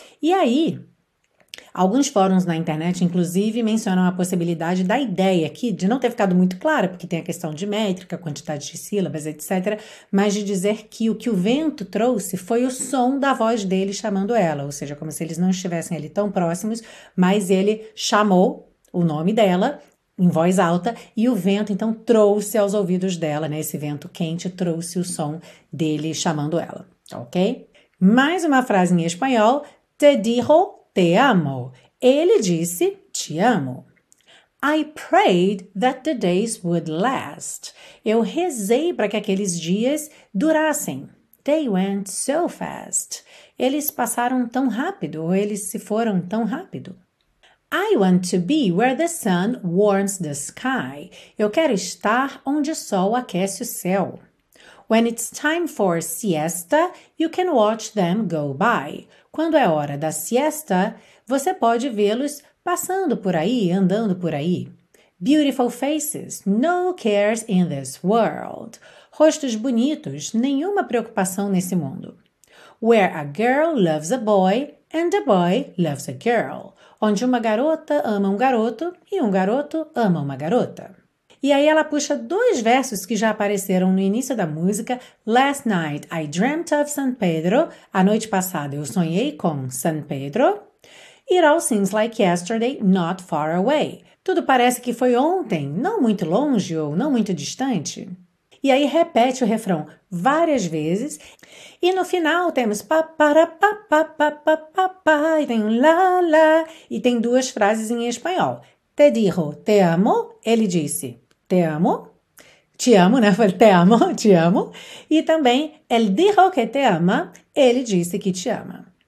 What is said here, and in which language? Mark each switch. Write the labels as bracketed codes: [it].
[pt] E aí, alguns fóruns na internet, inclusive, mencionam a possibilidade da ideia aqui de não ter ficado muito clara, porque tem a questão de métrica, quantidade de sílabas, etc., mas de dizer que o vento trouxe foi o som da voz dele chamando ela, ou seja, como se eles não estivessem ali tão próximos, mas ele chamou o nome dela em voz alta e o vento, então, trouxe aos ouvidos dela, né? Esse vento quente trouxe o som dele chamando ela, ok? Mais uma frase em espanhol, [es] te dijo... Te amo. [pt] Ele disse, [es] te amo. [en] I prayed that the days would last. [pt] Eu rezei para que aqueles dias durassem. [en] They went so fast. [pt] Eles passaram tão rápido, ou eles se foram tão rápido. [en] I want to be where the sun warms the sky. [pt] Eu quero estar onde o sol aquece o céu. [en] When it's time for siesta, you can watch them go by. [pt] Quando é hora da siesta, você pode vê-los passando por aí, andando por aí. [en] Beautiful faces, no cares in this world. [pt] Rostos bonitos, nenhuma preocupação nesse mundo. [en] Where a girl loves a boy and a boy loves a girl. [pt] Onde uma garota ama um garoto e um garoto ama uma garota. E aí ela puxa dois versos que já apareceram no início da música. [en] Last night I dreamt of San Pedro. [pt] A noite passada eu sonhei com San Pedro. [en] It all seems like yesterday, not far away. [pt] Tudo parece que foi ontem, não muito longe ou não muito distante. E aí repete o refrão várias vezes. E no final temos pa para pa pa pa pa pa pa e tem um la la e tem duas frases em espanhol. [es] Te dijo, te amo, [pt] ele disse, [es] te amo, te amo, [pt] né, foi te amo, te amo, e também, [es] el dijo que te ama, [pt] ele disse que te ama.